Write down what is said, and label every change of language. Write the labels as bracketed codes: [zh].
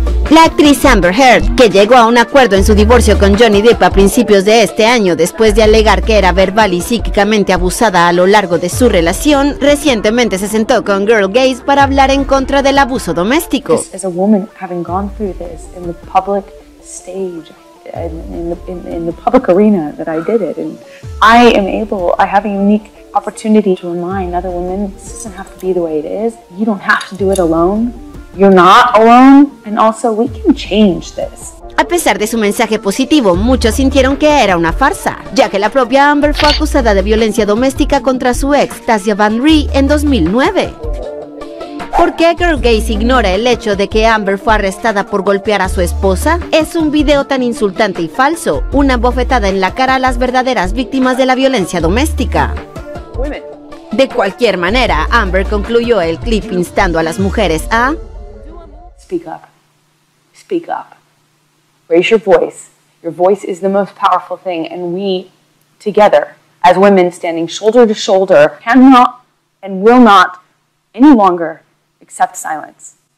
[es] La actriz Amber Heard, que llegó a un acuerdo en su divorcio con Johnny Depp a principios de este año después de alegar que era verbal y psíquicamente abusada a lo largo de su relación, recientemente se sentó con Geir Gates para hablar en contra del abuso doméstico. [en] As a woman having gone through this in the public stage, in the public arena that I did it, and I am able, I have a unique opportunity to remind other women, this doesn't have to be the way it is. You don't have to do it alone. You're not alone, and also we can change this. [es] A pesar de su mensaje positivo, muchos sintieron que era una farsa, ya que la propia Amber fue acusada de violencia doméstica contra su ex, Tasia Van Rie, en 2009. ¿Por qué Geir Gates ignora el hecho de que Amber fue arrestada por golpear a su esposa? Es un video tan insultante y falso, una bofetada en la cara a las verdaderas víctimas de la violencia doméstica. [en] Women. [es] De cualquier manera, Amber concluyó el clip instando a las mujeres a... [en] Speak up. Speak up. Raise your voice. Your voice is the most powerful thing, and we, together, as women standing shoulder to shoulder, cannot and will not any longer accept silence.